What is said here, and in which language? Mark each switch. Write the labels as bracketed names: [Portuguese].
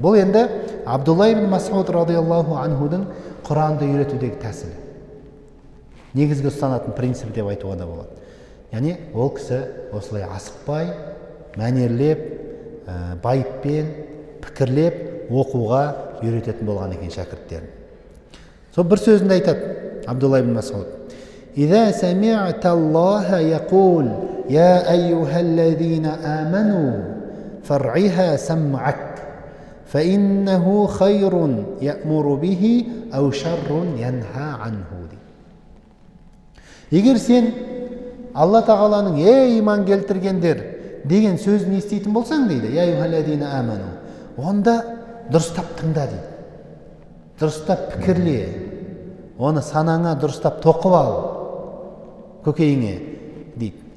[Kazakh] Бұл енді Абдулла ибн Масуд радиаллаху анхудың Құранды үйретудегі тәсілі. Негізгі ұстанатын принцип деп айтуға да болады. Яғни ол кісі осылай асықпай, мәнерлеп, байыппен пікірлеп оқуға үйрететін болған екен шәкірттерін. Со бір сөзінде айтады Абдулла ибн Масуд: [Arabic] إذا سمعت الله يقول يا أيها الذين آمنوا فرعها سمعك فإنه خير يأمر به أو شر ينهى عنه. [Kazakh] Егер сен Алла Тағаланың ей иман келтіргендер деген сөзін еститін болсаң дейді, [Arabic] يا أيها الذين آمنوا, [Kazakh] онда дұрыстап тыңда дейді. Дұрыстап пікірле. Оны санаңа дұрыстап тоқып ал. Көкейіңе дейді.